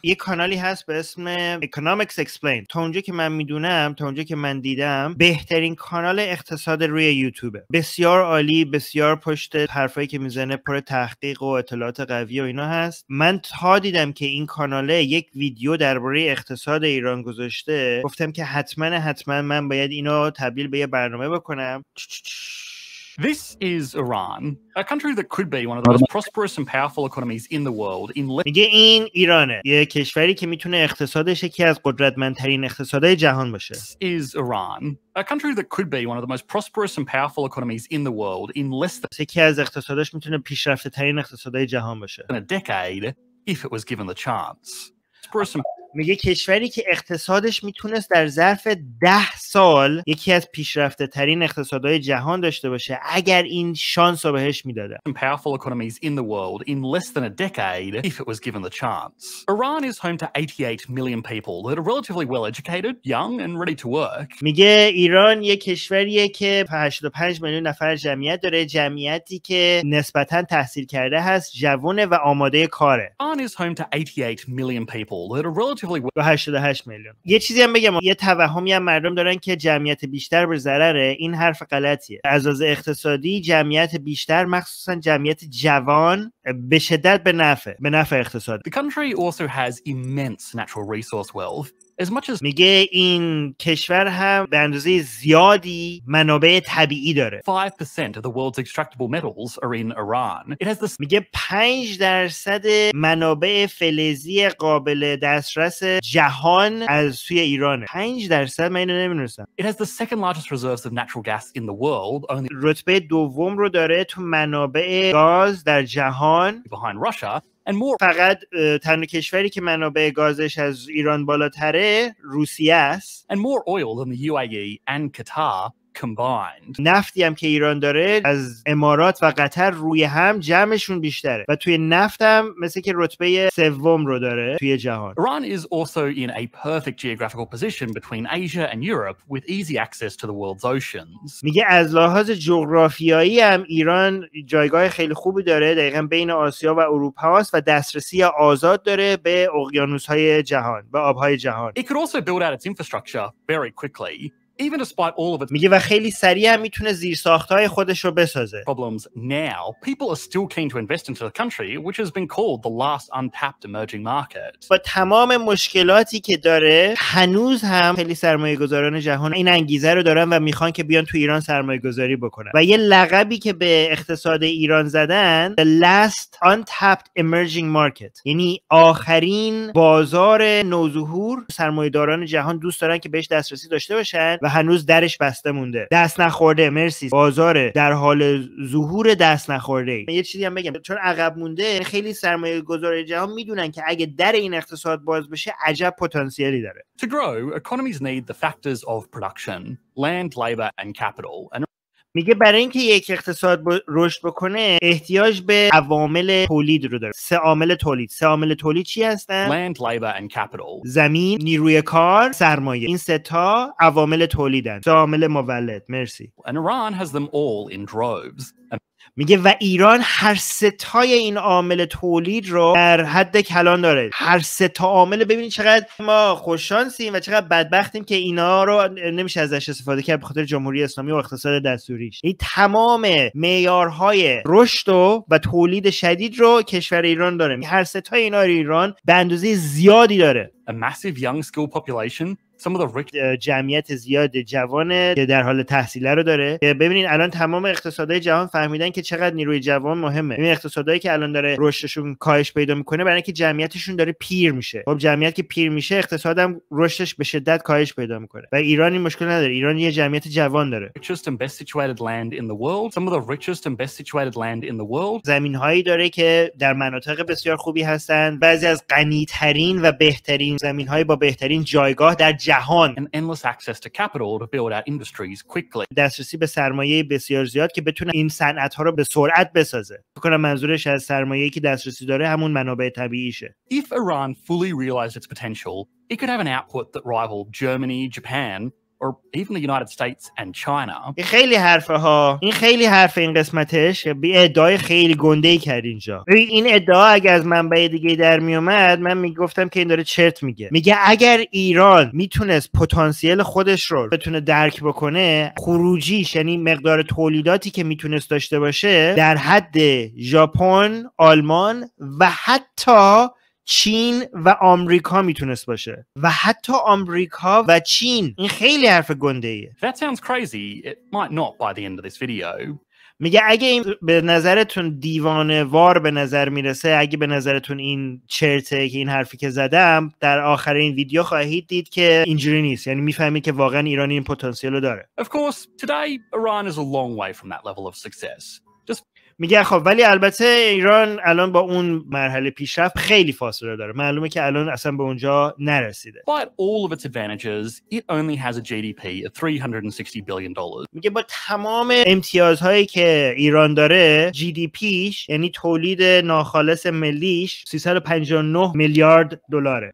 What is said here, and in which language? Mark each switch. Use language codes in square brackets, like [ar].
[fa] یه کانالی هست به اسم Economics Explained. تا اونجا که من دیدم بهترین کانال اقتصاد روی یوتیوبه. بسیار عالی، بسیار پشت حرفایی که میزنه پر تحقیق و اطلاعات قوی و اینا هست. من تا دیدم که این کاناله یک ویدیو درباره اقتصاد ایران گذاشته، گفتم که حتما من باید اینو تبدیل به یه برنامه بکنم. [en] This is Iran, a country that could be one of the most prosperous and powerful economies in the world. [fa] میگه این ایرانه، یه کشوری که میتونه اقتصادش یکی از قدرتمندترین اقتصادهای جهان باشه. [en] This is Iran, a country that could be one of the most prosperous and powerful economies in the world in less than [fa] یکی از اقتصادش میتونه پیشرفته ترین اقتصادهای جهان باشه. [en] In a decade, if it was given the chance. [fa] میگه کشوری که اقتصادش میتونست در ظرف 10 سال یکی از پیشرفته ترین اقتصادهای جهان داشته باشه اگر این شانس رو بهش میداده. [en] Powerful economies in the world in less than a decade if it was given the chance. Iran is home to 88 million people that are relatively well educated, young and ready to work. [fa] میگه ایران یک کشوریه که 85 میلیون نفر جمعیت داره، جمعیتی که نسبتاً تحصیل کرده هست، جوونه و آماده کاره. [en] Iran is home to 88 million people that are [fa] و 88 میلیون. یه چیزی هم بگم، یه توهمی هم مردم دارن که جمعیت بیشتر به ضرره. این حرف غلطیه. از لحاظ اقتصادی جمعیت بیشتر مخصوصا جمعیت جوان به شدت به نفعه، به نفع اقتصاد. [en] The country also has immense natural resource wealth. As much as [fa] میگه این کشور هم به اندازه زیادی منابع طبیعی داره. [en] 5% of the world's extractable metals are in Iran. It has the [fa] میگه 5% منابع فلزی قابل دسترس جهان از سوی ایرانه. 5% من اینو نمی‌دونستم. [en] It has the second largest reserves of natural gas in the world. Only [fa] رتبه دوم رو داره تو منابع گاز در جهان. [en] Behind Russia. And more. [fa] فقط تنها کشوری که منابع گازش از ایران بالاتره روسیه است. [en] And more oil than the UAE and Qatar combined. [fa] نفتی هم که ایران داره از امارات و قطر روی هم جمعشون بیشتره و توی نفت هم مثل که رتبه سوم رو داره توی جهان. [en] Iran is also in a perfect geographical position between Asia and Europe with easy access to the world's oceans. [fa] میگه از لحاظ جغرافیایی هم ایران جایگاه خیلی خوبی داره، دقیقا بین آسیا و اروپا هست و دسترسی آزاد داره به اقیانوس‌های جهان، به آب‌های جهان. [en] It could also build out its infrastructure very quickly. Even despite all of it, [fa] میگه و خیلی سریع هم میتونه زیرساخت‌های خودش رو بسازه. [en] Problems now, people are still keen to invest into the country, which has been called the last untapped emerging market. [fa] با تمام مشکلاتی که داره، هنوز هم خیلی سرمایه‌گذاران جهان این انگیزه رو دارن و میخوان که بیان تو ایران سرمایه‌گذاری بکنن. و یه لقبی که به اقتصاد ایران زدن، [en] the last untapped emerging market. [fa] یعنی آخرین بازار نوظهور، سرمایه‌داران جهان دوست دارن که بهش دسترسی داشته باشن. و هنوز درش بسته مونده، دست نخورده. مرسی. بازار در حال ظهور، دست نخورده. یه چیزی هم بگم، چون عقب مونده خیلی سرمایه گذاران جهان میدونن که اگه در این اقتصاد باز بشه عجب پتانسیلی داره. [en] To grow, economies need the factors of production, land, labor and capital. [fa] میگه برای اینکه یک اقتصاد رشد بکنه احتیاج به عوامل تولید رو داره. سه عامل تولید چی هستن؟ [en] Land, labor and capital. [fa] زمین، نیروی کار، سرمایه. این سه تا عوامل تولیدن. سه عامل مولد. مرسی. [en] And Iran has them all in droves. [fa] میگه و ایران هر ستای این عامل تولید رو در حد کلان داره. هر ستا عامل، ببینید چقدر ما خوششانسیم و چقدر بدبختیم که اینا رو نمیشه ازش استفاده کرد به خاطر جمهوری اسلامی و اقتصاد دستوریش. این تمام معیارهای رشد و تولید شدید رو کشور ایران داره. هر ستای اینا رو ایران به اندازه زیادی داره. [en] a massive young skill population. Some of the rich [fa] جمعیت زیاد جوان که در حال تحصیل رو داره. ببینین الان تمام اقتصادهای جهان فهمیدن که چقدر نیروی جوان مهمه. این اقتصادهایی که الان داره رشدشون کاهش پیدا میکنه برای اینکه جمعیتشون داره پیر میشه. خب جمعیت که پیر میشه اقتصادم رشدش به شدت کاهش پیدا میکنه. و ایران این مشکل نداره. ایران یه جمعیت جوان داره. [en] Richest and best situated land in the world. Some of the richest and best situated land in the world. [fa] زمینهایی داره که در مناطق بسیار خوبی هستن. بعضی از غنی ترین و بهترین زمینهای با بهترین جایگاه در جهان. And endless access to capital to build out industries quickly. دسترسی به سرمایه بسیار زیاد که بتونه این صنعت‌ها رو به سرعت بسازه. فکر کنم منظورش از سرمایه‌ای که دسترسی داره همون منابع طبیعیشه. [en] If Iran fully realized its potential, it could have an output that rivaled Germany, Japan, or even the United States and China. [fa] خیلی حرفه ها. این خیلی حرف این قسمتش به ادعای خیلی گنده‌ای کرد اینجا. این ادعا اگه از منبع دیگه در میومد من میگفتم که این داره چرت میگه. میگه اگر ایران میتونست پتانسیل خودش رو بتونه درک بکنه، خروجیش یعنی مقدار تولیداتی که میتونست داشته باشه در حد ژاپن، آلمان و حتی چین و آمریکا میتونست باشه و حتی آمریکا و چین. این خیلی حرف گنده ایه. [en] That sounds crazy. It might not by the end of this video. [fa] میگه اگه این به نظرتون دیوانه وار به نظر میرسه، اگه به نظرتون این چرته که این حرفی که زدم، در آخر این ویدیو خواهید دید که اینجوری نیست، یعنی میفهمید که واقعا ایران این پتانسیل رو داره. [en] Of course, today Iran is a long way from that level of success. [fa] میگه خب ولی البته ایران الان با اون مرحله پیشرفت خیلی فاصله داره، معلومه که الان اصلا به اونجا نرسیده. [en] But all of its advantages, it only has a GDP of $360 billion. [fa] میگه با تمام امتیازهایی که ایران داره GDPش یعنی تولید ناخالص ملیش 359 میلیارد دلاره،